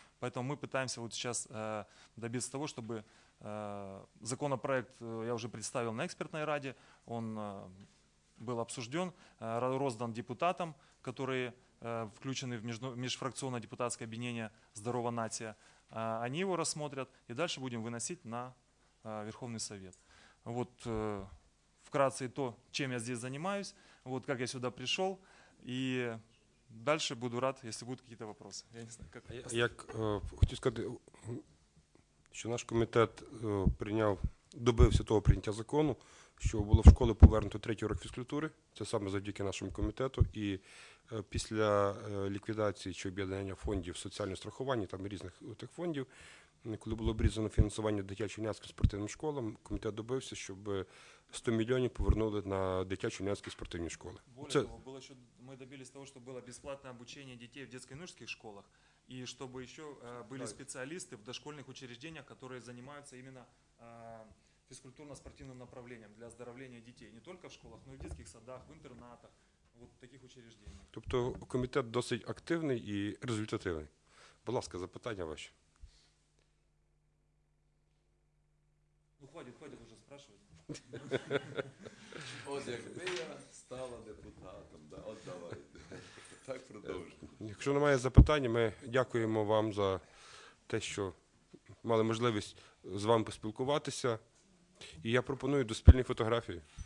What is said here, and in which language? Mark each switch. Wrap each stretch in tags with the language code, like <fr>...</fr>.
<ru>Поэтому мы пытаемся вот сейчас добиться того, чтобы законопроект я уже представил на экспертной раде, он был обсужден, роздан депутатам, которые включены в межфракционное депутатское объединение «Здорова нация». Они его рассмотрят и дальше будем выносить на Верховный Совет. Вот вкратце и то, чем я здесь занимаюсь, вот как я сюда пришел. И дальше буду рад, если будут какие-то вопросы. Я не знаю, как.</ru> <uk>Хочу сказать, що наш комітет прийняв, добився того прийняття закону, що було в школи повернуто третій урок фізкультури. Це саме завдяки нашому комітету. І після ліквідації чи об'єднання фондів соціального страхування, там різних тих фондів, коли було обрізано фінансування дитячим юнацьким спортивним школам, комітет добився, щоб 100 мільйонів повернули на дитячі юнацькі спортивні школи. Це... Того, було, що ми добились того, щоб було безплатне навчання дітей в дитячо-юнацьких школах, і щоб ще були спеціалісти в дошкільних учреждениях, які займаються іменно фізкультурно-спортивним направленням для оздоровлення дітей, не тільки в школах, але й в дитячих садах, в інтернатах, в от таких учреждениях. Тобто комітет досить активний і результативний. Будь ласка, запитання ваше. Ну, хватить вже спрашувати. От якби я стала депутатом, да, от давай. Так продовжуємо. Якщо немає запитань, ми дякуємо вам за те, що мали можливість з вами поспілкуватися. І я пропоную до спільної фотографії.</uk>